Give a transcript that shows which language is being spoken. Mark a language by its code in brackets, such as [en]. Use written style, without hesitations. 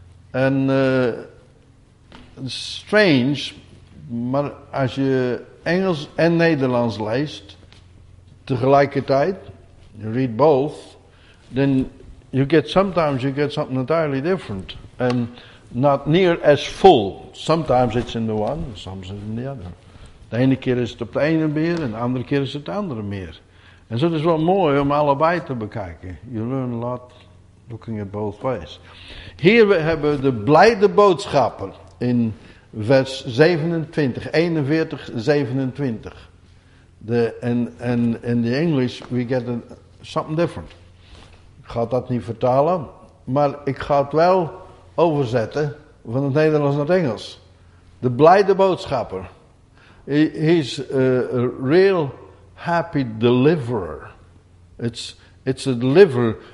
[nl] En strange, maar als je Engels en Nederlands leest, tegelijkertijd, [en] you read both, then you get sometimes you get something entirely different. And not near as full. Sometimes it's in the one, sometimes it's in the other. [nl] De ene keer is het op de ene meer en de andere keer is het de andere meer. En zo is wel mooi om allebei te bekijken. [en] You learn a lot looking at both ways. [nl] Hier we hebben de blijde boodschapper in vers 27, 41, 27. [en] And in the English we get something different. [nl] Ik ga dat niet vertalen, maar ik ga het wel overzetten van het Nederlands naar het Engels. De blijde boodschapper. [en] He's a real happy deliverer. It's a deliverer.